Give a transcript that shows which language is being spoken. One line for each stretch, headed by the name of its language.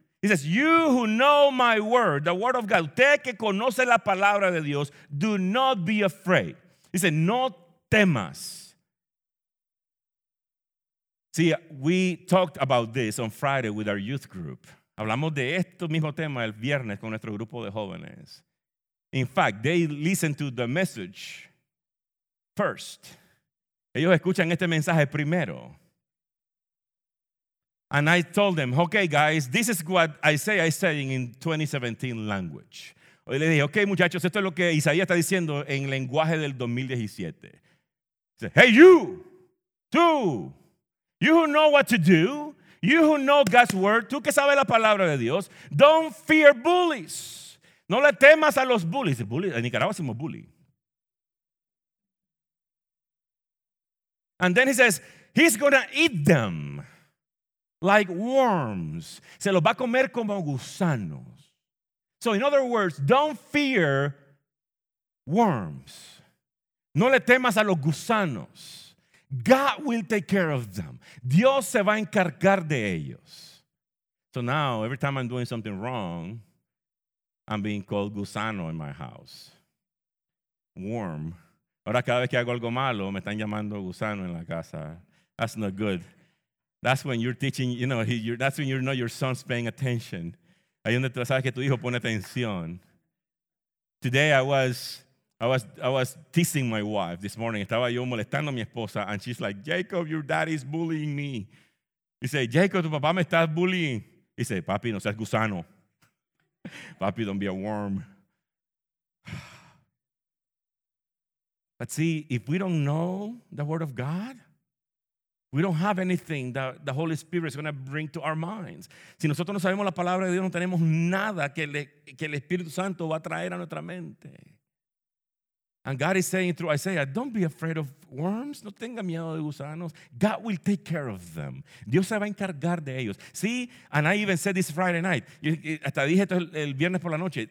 English: He says, you who know my word, the word of God.
Spanish: Usted que conoce la palabra de Dios,
English: do not be afraid. He said,
Spanish: no temas.
English: See, we talked about this on Friday with our youth group.
Spanish: Hablamos de este mismo tema el viernes con nuestro grupo de jóvenes.
English: In fact, they listen to the message first.
Spanish: Ellos escuchan este mensaje primero.
English: And I told them, okay, guys, this is what Isaiah is saying in 2017 language.
Spanish: Y le dije, okay, muchachos, esto es lo que Isaías está diciendo en lenguaje del 2017.
English: He said, hey, you who know what to do, you who know God's word,
Spanish: tú que sabes la palabra de Dios,
English: don't fear bullies.
Spanish: No le temas a los bullies. Bully, en Nicaragua somos bully.
English: And then he says, he's going to eat them like worms.
Spanish: Se los va a comer como gusanos.
English: So in other words, don't fear worms.
Spanish: No le temas a los gusanos.
English: God will take care of them.
Spanish: Dios se va a encargar de ellos.
English: So now, every time I'm doing something wrong, I'm being called gusano in my house. Worm.
Spanish: Ahora cada vez que hago algo malo, me están llamando gusano en la casa.
English: That's not good. That's when you're teaching, you know, that's when you know your son's paying attention.
Spanish: Ahí donde tú sabes que tu hijo pone atención.
English: Today I was teasing my wife this morning.
Spanish: Estaba yo molestando a mi esposa,
English: and she's like, Jacob, your daddy's bullying me.
Spanish: He said, Jacob, tu papá me está bullying. He said, papi, no seas gusano.
English: Papi, don't be a worm. But see, if we don't know the word of God, we don't have anything that the Holy Spirit is going to bring to our minds.
Spanish: Si nosotros no sabemos la palabra de Dios, no tenemos nada que el Espíritu Santo va a traer a nuestra mente.
English: And God is saying through Isaiah, don't be afraid of worms.
Spanish: No tenga miedo de gusanos.
English: God will take care of them.
Spanish: Dios se va a encargar de ellos.
English: See, and I even said this Friday night.
Spanish: Hasta dije esto el viernes por la noche.